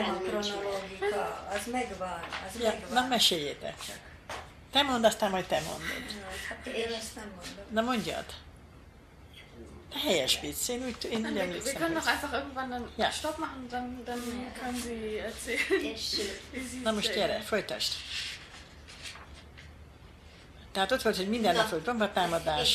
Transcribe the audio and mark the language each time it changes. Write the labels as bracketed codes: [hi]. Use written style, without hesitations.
[hu] Nem a kronológika, az megvan. Na, meséljétek. Te mondd, aztán majd te mondod. Hát én ezt nem mondom. Na, mondjad. Helyes Pizzi, én úgy tűnik. [de] Wir können doch einfach irgendwann dann Stopp machen, dann können Sie erzählen. [hu] Na most gyere, folytasd. Tehát ott volt, hogy minden nap volt bombatámadás.